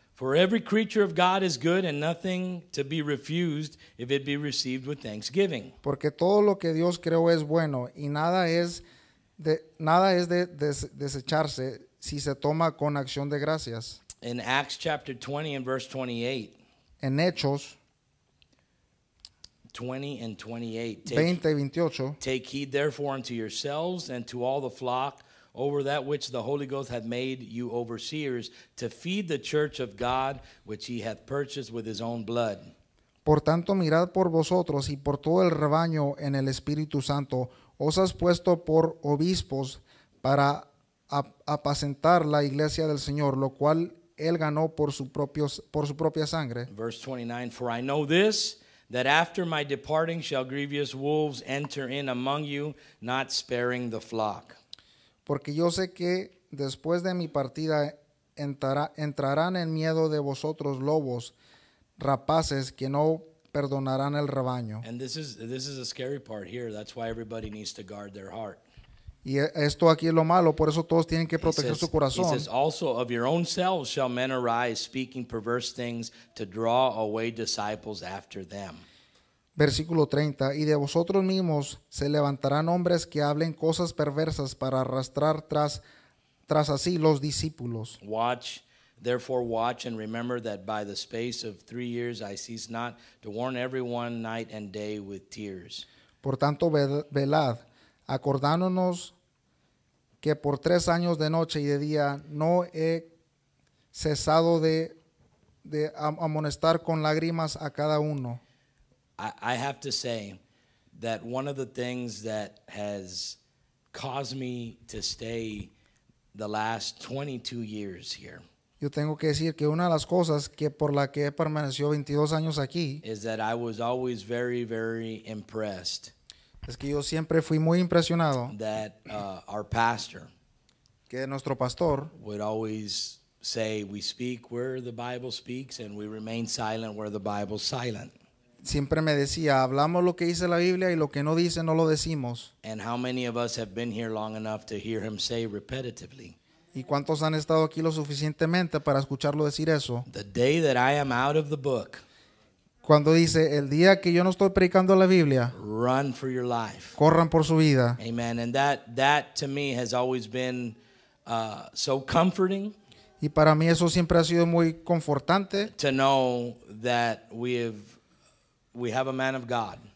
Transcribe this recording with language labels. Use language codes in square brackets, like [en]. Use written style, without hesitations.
[en] For every creature of God is good and nothing to be refused if it be received with thanksgiving. [es] Porque todo lo que Dios creó es bueno y nada es de desecharse si se toma con acción de gracias. [en] In Acts chapter 20 and verse 28. [es] En Hechos [en] 20 and 28. [es] 20 y 28. [en] Take heed therefore unto yourselves and to all the flock over that which the Holy Ghost hath made you overseers to feed the church of God which he hath purchased with his own blood. [es] Por tanto mirad por vosotros y por todo el rebaño en el Espíritu Santo os has puesto por obispos para apacentar la iglesia del Señor, lo cual él ganó por su propia sangre. [en] Verse 29, for I know this, that after my departing shall grievous wolves enter in among you, not sparing the flock. [es] Porque yo sé que después de mi partida entrarán en miedo de vosotros lobos, rapaces que no perdonarán el rebaño. [en] And this is a scary part here. That's why everybody needs to guard their heart. [es] Y esto aquí es lo malo, por eso todos tienen que proteger su corazón. [en] He says, also of your own selves shall men arise, speaking perverse things to draw away disciples after them. [es] Versículo 30, y de vosotros mismos se levantarán hombres que hablen cosas perversas para arrastrar tras así los discípulos. [en] Therefore watch and remember that by the space of 3 years I cease not to warn everyone night and day with tears. [es] Por tanto, velad, acordándonos que por 3 años de noche y de día no he cesado de amonestar con lágrimas a cada uno. [en] I have to say that one of the things that has caused me to stay the last 22 years here. [es] Yo tengo que decir que una de las cosas que por la que he permanecido 22 años aquí [en] is that I was always very, very impressed. [es] Es que yo siempre fui muy impresionado [en] that our pastor, [es] que nuestro pastor [en] would always say we speak where the Bible speaks and we remain silent where the Bible's silent. [es] Siempre me decía, hablamos lo que dice la Biblia y lo que no dice no lo decimos. [en] And how many of us have been here long enough to hear him say repetitively? [es] ¿Y cuántos han estado aquí lo suficientemente para escucharlo decir eso? [en] The day that I am out of the book. [es] Cuando dice, el día que yo no estoy predicando la Biblia, [en] run for your life. [es] Corran por su vida. [en] Amen. And that to me has always been so comforting. [es] Y para mí eso siempre ha sido muy confortante. [en] To know that we have a man of God.